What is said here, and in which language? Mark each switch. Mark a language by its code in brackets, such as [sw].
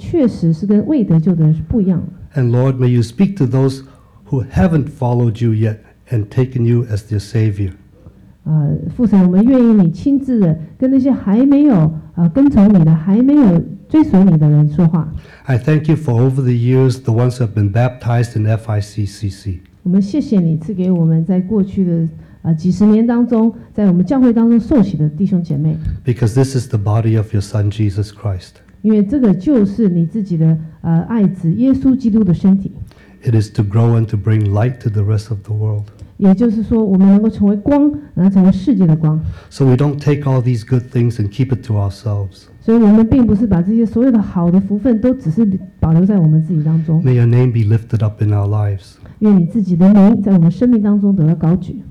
[zh] 因为得救的人，在某些方面确实是跟未得救的人是不一样的。 [en] And Lord, may you speak to those who haven't followed you yet and taken you as their savior. [zh] 父神，我们愿意你亲自的跟那些还没有跟从你的，还没有 [en] I thank you for over the years, the ones who have been baptized in FICCC. [zh] 我们谢谢你赐给我们在过去的几十年当中，在我们教会当中受洗的弟兄姐妹。 [en] Because this is the body of your Son Jesus Christ. [zh] 因为这个就是你自己的爱子耶稣基督的身体。 [en] It is to grow and to bring light to the rest of the world. [zh] 也就是说，我们能够成为光，然后成为世界的光。 [en] So we don't take all these good things and keep it to ourselves. [zh] 所以我们并不是把这些所有的好的福分都只是保留在我们自己当中。 [en] May your name be lifted up in our lives. [zh] 愿你自己的名在我们生命当中得到高举。